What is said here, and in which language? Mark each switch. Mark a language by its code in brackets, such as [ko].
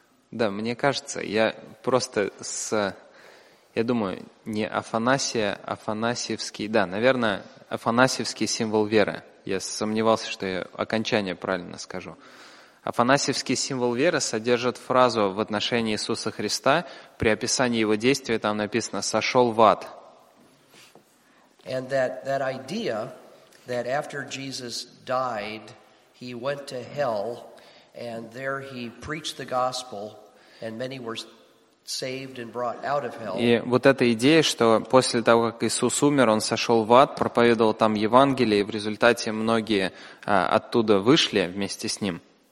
[ru] Да, мне кажется, я просто с... Я думаю, не Афанасия, Афанасьевский. Да, наверное, Афанасьевский символ веры. Я сомневался, что я окончание правильно скажу. Афанасьевский символ веры содержит фразу в отношении Иисуса Христа. При описании его действия там написано «сошел в ад». [en] And that idea that after Jesus died, he went to hell, and there he preached the gospel, and many were saved and brought out of hell. [ru] И вот эта идея, что после того, как Иисус умер, он сошел в ад, проповедовал там Евангелие, и в результате многие оттуда вышли вместе с ним.